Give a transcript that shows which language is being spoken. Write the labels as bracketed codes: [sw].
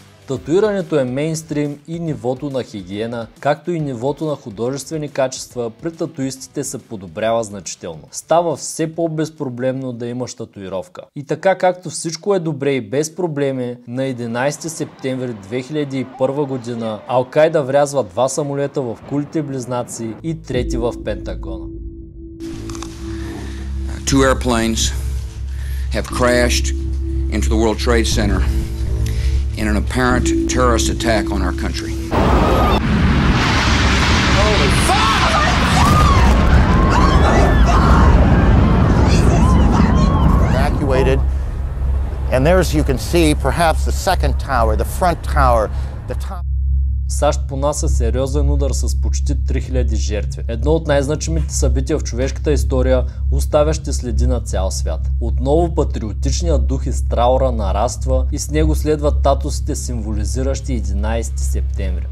[bg] Татуирането е мейнстрим и нивото на хигиена, както и нивото на художествени качества при татуистите се подобрява значително. Става все по-безпроблемно да имаш татуировка. И така, както всичко е добре и без проблеми, на 11 септември 2001 година Ал-Кайда врязва два самолета в кулите близнаци и трети в Пентагона. [en] Two airplanes have crashed into the World Trade Center in an apparent terrorist attack on our country. Evacuated. And there's you can see perhaps the second tower, the front tower, the top. [bg] САЩ понася сериозен удар с почти 3000 жертви. Едно от най-значимите събития в човешката история, оставящи следи на цял свят. Отново патриотичният дух из траура нараства и с него следват татусите, символизиращи 11 септември.